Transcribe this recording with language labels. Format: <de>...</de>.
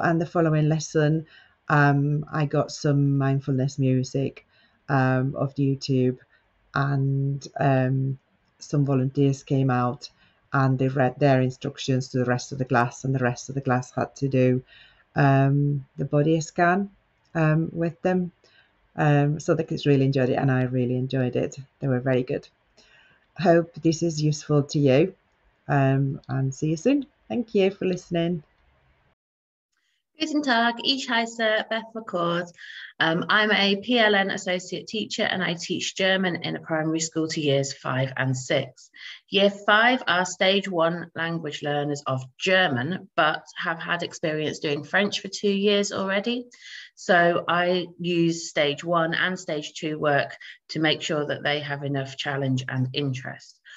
<en>And the following lesson, I got some mindfulness music off YouTube, and some volunteers came out and they read their instructions to the rest of the class, and the rest of the class had to do the body scan with them. So the kids really enjoyed it and I really enjoyed it. They were very good. Hope this is useful to you, and see you soon. Thank you for listening.</en> <de>Guten Tag, ich heiße Beth McCord.</de> <en>I'm a PLN associate teacher and I teach German in a primary school to years 5 and 6. Year 5 are stage 1 language learners of German, but have had experience doing French for 2 years already. So I use stage 1 and stage 2 work to make sure that they have enough challenge and interest.</en>